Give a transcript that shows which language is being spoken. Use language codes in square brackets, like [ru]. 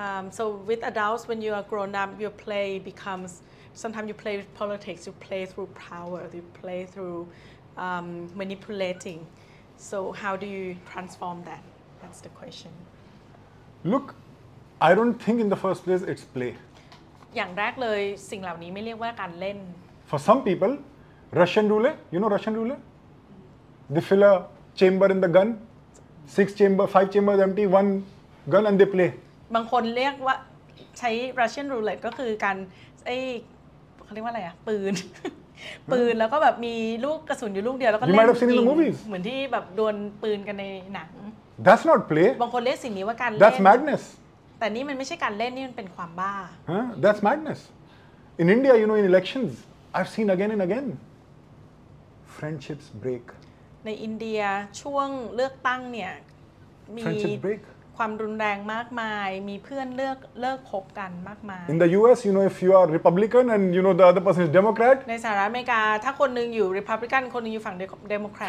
[en] So with adults, when you are grown up, your play becomesSometimes you play with politics, you play through power, you play through manipulating. So how do you transform that? That's the question. Look, I don't think in the first place it's play. [th] อย่างแรกเลยสิ่งเหล่านี้ไม่เรียกว่าการเล่น [en] For some people, Russian roulette, you know Russian roulette? They fill a chamber in the gun, five chambers empty, one gun and they play. [th] บางคนเรียกว่าใช้ Russian roulette ก็คือการไอเขาเรียกว่าอะไรอ่ะปืนแล้วก็แบบมีลูกกระสุนอยู่ลูกเดียวแล้วก็เล่นยิง [en] You might have seen in the movies [th] เหมือนที่แบบดวลปืนกันในหนัง [en] That's not play [th] บางคนเรียกสิ่งนี้ว่าการเล่น [en] That's madness [th] แต่นี่มันไม่ใช่การเล่นนี่มันเป็นความบ้า [en] That's madness In India you know in elections I've seen again and again friendships break [th] ในอินเดียช่วงเลือกตั้งเนี่ย [en] มี friendships break [th] ความรุนแรงมากมายมีเพื่อนเลิกคบกันมากมาย [en] In the US you know if you are Republican and you know the other person is Democrat [th] ในสหรัฐอเมริกาถ้าคนนึงอยู่ Republican คนนึงอยู่ฝั่ง Democrat